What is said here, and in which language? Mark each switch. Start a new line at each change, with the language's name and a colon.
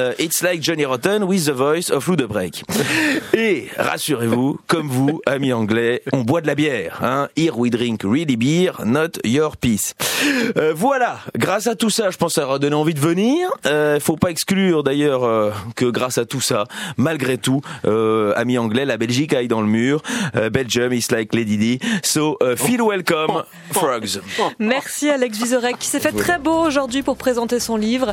English: It's like Johnny Rotten with the voice of Ludobreck.
French: Et rassurez-vous, comme vous, amis anglais, on boit de la bière. Hein.
English: Here we drink really beer, not your piss.
French: Voilà, grâce à tout ça, je pense que ça aura donné envie de venir. Faut pas exclure d'ailleurs que grâce à tout ça, malgré tout, amis anglais, la Belgique aille dans le mur.
English: Belgium is like Lady Di. So, feel welcome, frogs.
French: Merci Alex Vizorek, qui s'est fait très beau aujourd'hui pour présenter son livre.